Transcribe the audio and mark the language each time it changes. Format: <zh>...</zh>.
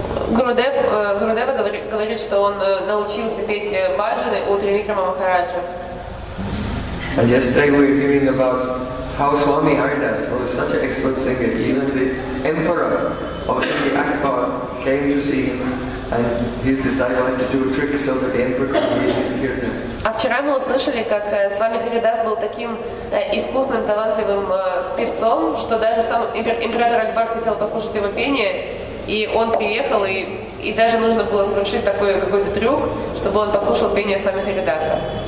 <ru>Гурудева говорит, что он научился петь баджаны у Тривикрама Махараджа.</ru> <en>And yesterday we were hearing about how Swami Haridas was such an expert singer. Even the emperor of the Akbar came to see him and his disciple had to do a trick so that the emperor could hear his kirtan.</en> <ru>А вчера мы услышали, как Свами Харидас был таким искусным, талантливым певцом, что даже сам император Акбар хотел послушать его пение. И он приехал, и даже нужно было совершить такой какой-то трюк, чтобы он послушал пение Свами Харидаса.</ru>